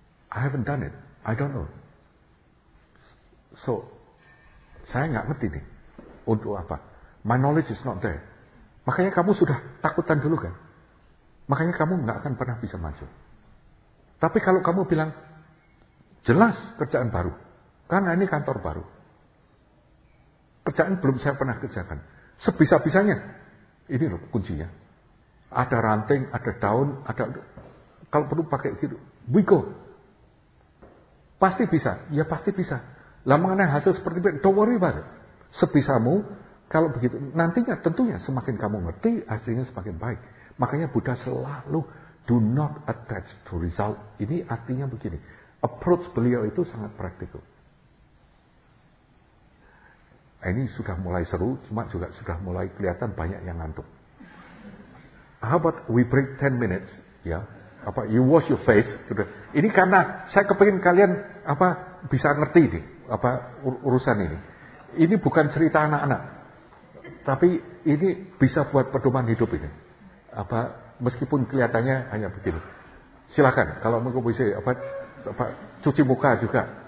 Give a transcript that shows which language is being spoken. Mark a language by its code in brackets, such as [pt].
[en] I haven't done it, I don't know. So, [id] saya gak ngerti nih, untuk apa? [en] My knowledge is not there. [id] Makanya kamu sudah takutan dulu kan? Makanya kamu gak akan pernah bisa maju. Tapi kalau kamu bilang, jelas kerjaan baru, karena ini kantor baru. Kerjaan belum saya pernah kerjakan. Sebisa-bisanya, ini loh kuncinya. Ada ranting, ada daun, ada kalau perlu pakai gitu, [en] we go. [id] Pasti bisa, ya pasti bisa. Lah mengenai hasil seperti itu, [en] don't worry about it. [id] Sebisamu, kalau begitu, nantinya tentunya semakin kamu ngerti, hasilnya semakin baik. Makanya Buddha selalu, [en] do not attach to result. [id] Ini artinya begini. Approach beliau itu sangat praktikal. Ini sudah mulai seru, cuma juga sudah mulai kelihatan banyak yang ngantuk. [en] How about we break 10 minutes? [id] Ya, apa [en] you wash your face? [id] Ini karena saya kepengen kalian apa bisa ngerti ini apa urusan ini. Ini bukan cerita anak-anak, tapi ini bisa buat pedoman hidup ini. Apa meskipun kelihatannya hanya begini. Silakan kalau mau bisa apa. Pak, cuci muka juga.